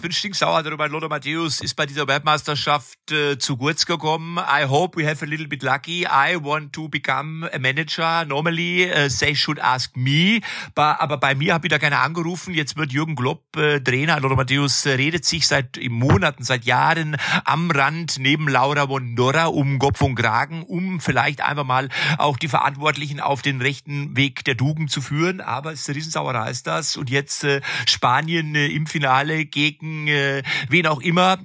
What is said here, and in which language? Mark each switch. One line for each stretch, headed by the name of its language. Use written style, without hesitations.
German: Bin stinksauer darüber. Lothar Matthäus ist bei dieser Weltmeisterschaft zu kurz gekommen.
English: I hope we have a little bit lucky. I want to become a manager. Normally, they should ask me.
German: Aber bei mir hat wieder keiner angerufen. Jetzt wird Jürgen Klopp Trainer. Lothar Matthäus redet sich seit Monaten, seit Jahren am Rand neben Laura von Dora um Kopf und Kragen, um vielleicht einfach mal auch die Verantwortlichen auf den rechten Weg der Tugend zu führen. Aber es ist Riesensauerei ist das. Und jetzt Spanien im Finale gegen wen auch immer.